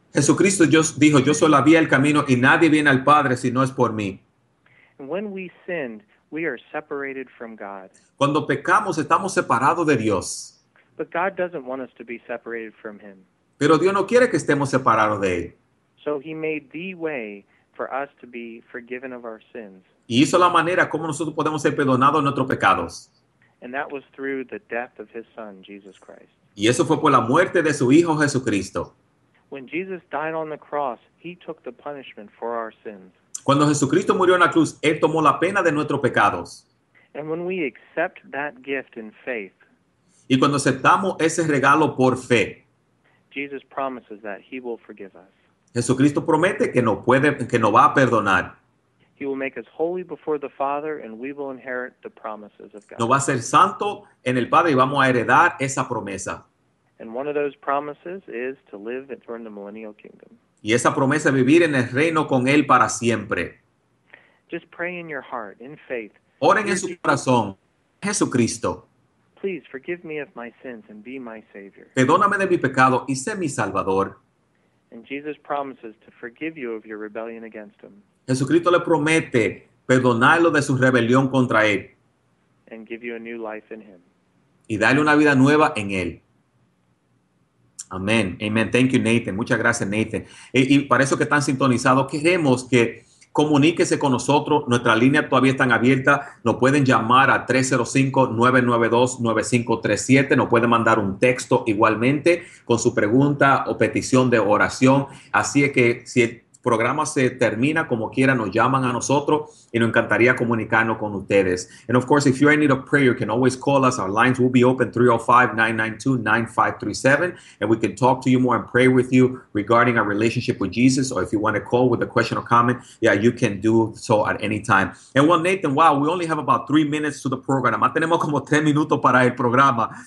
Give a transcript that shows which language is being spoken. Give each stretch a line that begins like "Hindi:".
Spanish: Jesucristo dijo, yo soy la vía, el camino, y nadie viene al Padre si no es por mí.
English: When we sinned, we are separated from God.
Spanish: Cuando pecamos, estamos separados de Dios.
English: But God doesn't want us to be separated from Him.
Spanish: Pero Dios no quiere que estemos separados de Él.
English: So He made the way for us to be forgiven of our sins.
Spanish: Y hizo la manera como nosotros podemos ser perdonados de nuestros pecados.
English: And that was through the death of His Son, Jesus Christ.
Spanish: Y eso fue por la muerte de su Hijo Jesucristo.
English: When Jesus died on the cross, He took the punishment for our sins.
Spanish: Cuando Jesucristo murió en la cruz, Él tomó la pena de nuestros pecados.
English: And when we accept that gift in faith,
Spanish: y cuando aceptamos ese regalo por fe,
English: Jesus promises that He will forgive us.
Spanish: Jesucristo promete que nos puede, que nos va a perdonar.
English: He will make us holy before the Father, and we will inherit the promises of God.
Spanish: Nos va a ser santo en el Padre y vamos a heredar esa promesa.
English: And one of those promises is to live during the millennial kingdom.
Spanish: Y esa promesa es vivir en el reino con Él para siempre.
English: Just pray in your heart, in faith.
Spanish: Oren en su corazón, Jesucristo.
English: Please forgive me of my sins and be my Savior.
Spanish: Perdóname de mi pecado y sé mi Salvador.
English: And Jesus promises to forgive you of your rebellion against Him.
Spanish: Jesucristo le promete perdonarlo de su rebelión contra Él.
English: And give you a new life in Him.
Spanish: Y darle una vida nueva en Él. Amén. Amen.
English: Thank you, Nathan.
Spanish: Muchas gracias, Nathan. Y para eso que están sintonizados, queremos que comuníquese con nosotros. Nuestra línea todavía está abierta. Nos pueden llamar a 305-992-9537. Nos pueden mandar un texto igualmente con su pregunta o petición de oración. Así es que si el programa se termina, como quiera, nos llaman a nosotros y nos encantaría comunicarnos con ustedes.
English: And of course, if you're in need of prayer, you can always call us. Our lines will be open 305-992-9537. And we can talk to you more and pray with you regarding our relationship with Jesus. Or if you want to call with a question or comment, yeah, you can do so at any time. And well, Nathan, wow, we only have about 3 minutes to the program.
Spanish: Tenemos como 10 minutos para el programa.